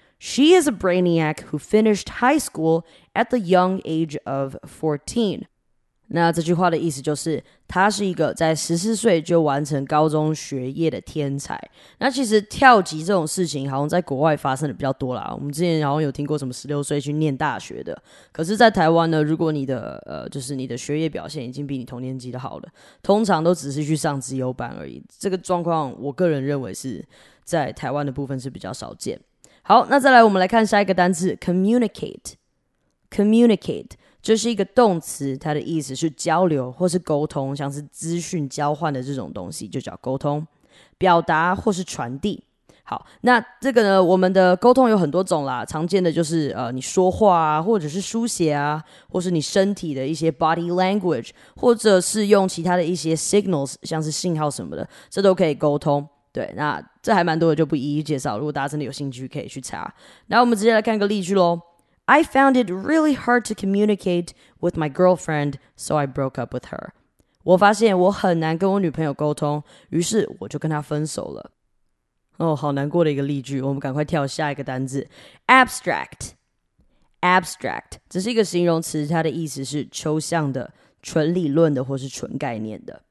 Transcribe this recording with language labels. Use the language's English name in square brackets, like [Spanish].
[English] She is a brainiac who finished high school at the young age of 14. [Chinese] 那这句话的意思就是，她是一个在14岁就完成高中学业的天才。那其实跳级这种事情好像在国外发生的比较多啦，我们之前好像有听过什么16岁去念大学的。可是在台湾呢，如果你的就是你的学业表现已经比你同年级的好了，通常都只是去上资优班而已。这个状况我个人认为是在台湾的部分是比较少见。好，那再来我们来看下一个单词 communicate。communicate 这是一个动词，它的意思是交流或是沟通，像是资讯交换的这种东西就叫沟通，表达或是传递。好，那这个呢，我们的沟通有很多种啦，常见的就是你说话啊，或者是书写啊，或是你身体的一些 body language， 或者是用其他的一些 signals， 像是信号什么的，这都可以沟通。对，那这还蛮多的，就不一一介绍，如果大家真的有兴趣可以去查。那我们直接来看个例句咯。 [English] I found it really hard to communicate with my girlfriend, so I broke up with her. [Chinese] 我发现我很难跟我女朋友沟通，于是我就跟她分手了。哦，好难过的一个例句，我们赶快跳下一个单字。 Abstract。 Abstract 这是一个形容词，它的意思是抽象的、纯理论的或是纯概念的。